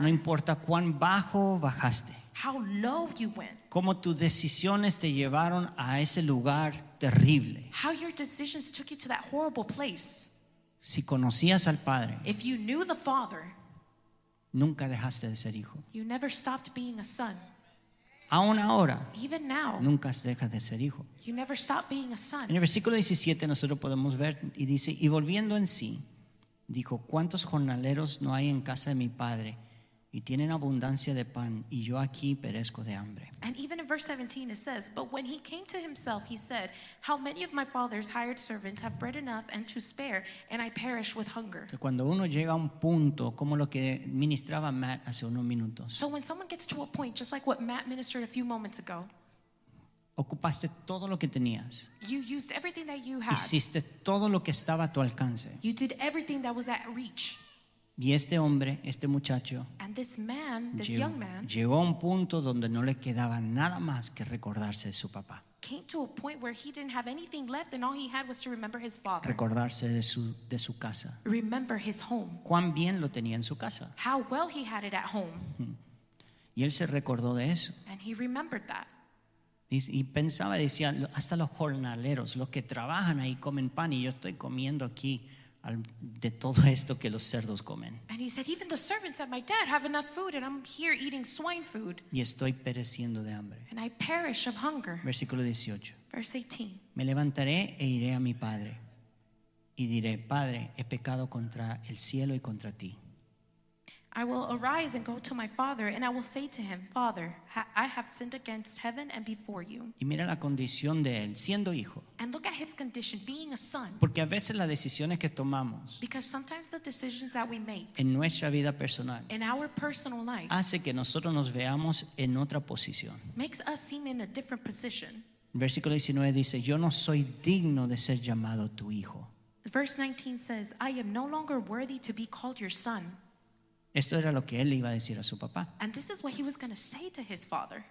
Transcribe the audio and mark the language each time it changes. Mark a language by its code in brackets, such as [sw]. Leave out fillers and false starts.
[es] No importa cuán bajo bajaste. [en] How low you went. [es] Cómo tus decisiones te llevaron a ese lugar terrible. [en] How your decisions took you to that horrible place. [es] Si conocías al Padre, [en] if you knew the Father, [es] nunca dejaste de ser hijo. [en] You never stopped being a son. [es] Aún ahora, [en] even now, [es] nunca dejas de ser hijo. [en] You never stopped being a son. [es] En el versículo 17 nosotros podemos ver y dice, y volviendo en sí, dijo, ¿cuántos jornaleros no hay en casa de mi padre y tienen abundancia de pan y yo aquí perezco de hambre? [en] And even in verse 17 it says, but when he came to himself, he said, how many of my father's hired servants have bread enough and to spare, and I perish with hunger. [es] Que cuando uno llega a un punto como lo que ministraba Matt hace unos minutos. [en] So when someone gets to a point just like what Matt ministered a few moments ago. [es] Ocupaste todo lo que tenías. [en] You used everything that you had. [es] Hiciste todo lo que estaba a tu alcance. [en] You did everything that was at reach. [es] Y este hombre, este muchacho, [en] and this man, this young man, [es] llegó a un punto donde no le quedaba nada más que recordarse de su papá. [en] Came to a point where he didn't have anything left and all he had was to remember his father. [es] Recordarse de su casa. [en] Remember his home. [es] Cuán bien lo tenía en su casa. [en] How well he had it at home. [es] Y él se recordó de eso. [en] And he remembered that. [es] Y pensaba, decía, hasta los jornaleros, los que trabajan ahí comen pan y yo estoy comiendo aquí de todo esto que los cerdos comen. [en] And he said, even the servants at my dad have enough food and I'm here eating swine food. [es] Y estoy pereciendo de hambre. [en] And I perish of hunger. [es] Versículo 18. [en] Verse 18. [es] Me levantaré e iré a mi padre y diré, Padre, he pecado contra el cielo y contra ti. [en] I will arise and go to my father, and I will say to him, Father, I have sinned against heaven and before you. [es] Y mira la condición de él, siendo hijo. [en] And look at his condition, being a son. [es] Porque a veces las decisiones que tomamos, [en] because sometimes the decisions that we make [es] en nuestra vida personal, [en] in our personal life, [es] hace que nosotros nos veamos en otra posición. [en] Makes us seem in a different position. [es] Versículo 19 dice, yo no soy digno de ser llamado tu hijo. [en] Verse 19 says, I am no longer worthy to be called your son. [es] Esto era lo que él iba a decir a su papá. [en] And this is what he was going to say to his father.